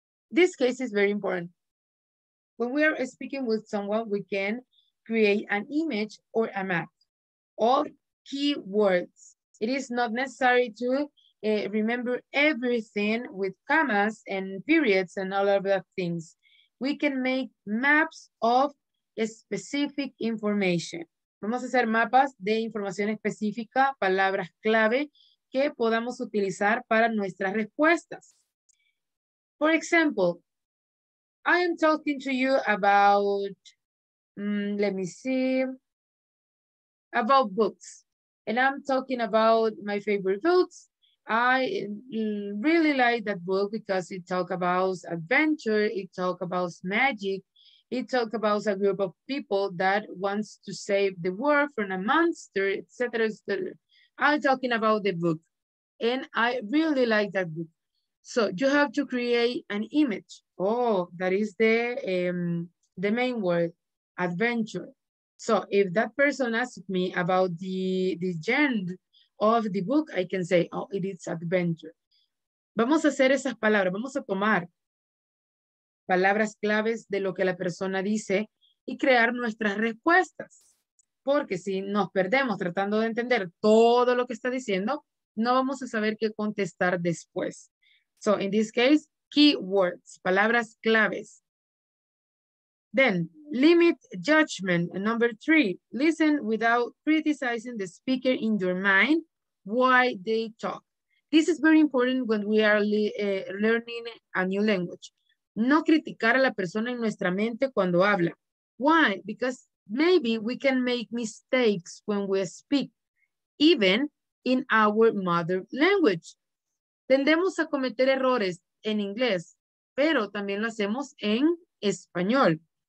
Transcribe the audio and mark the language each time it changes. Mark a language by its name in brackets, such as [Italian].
[English] This case is very important. When we are speaking with someone, we can create an image or a map of keywords. It is not necessary to remember everything with commas and periods and all of that things. We can make maps of specific information. [Spanish] Vamos a hacer mapas de información específica, palabras clave que podamos utilizar para nuestras respuestas. [English] For example, I am talking to you about, let me see, about books. And I'm talking about my favorite books. I really like that book because it talks about adventure, it talks about magic. It talks about a group of people that wants to save the world from a monster, etc. I'm talking about the book, and I really like that book. So you have to create an image. Oh, that is the main word, adventure. So if that person asks me about the genre of the book, I can say, oh, it is adventure. [Spanish] Vamos a hacer esas palabras, vamos a tomar palabras claves de lo que la persona dice y crear nuestras respuestas. Porque si nos perdemos tratando de entender todo lo que está diciendo, no vamos a saber qué contestar después. [English] So, in this case, keywords, [Spanish] palabras claves. [English] Then, limit judgment. Number three, listen without criticizing the speaker in your mind why they talk. This is very important when we are learning a new language. [Spanish] No criticar a la persona en nuestra mente cuando habla. [English] Why? Because maybe we can make mistakes when we speak, even in our mother language. [Spanish] Tendemos a cometer errores en inglés, pero también lo hacemos en español.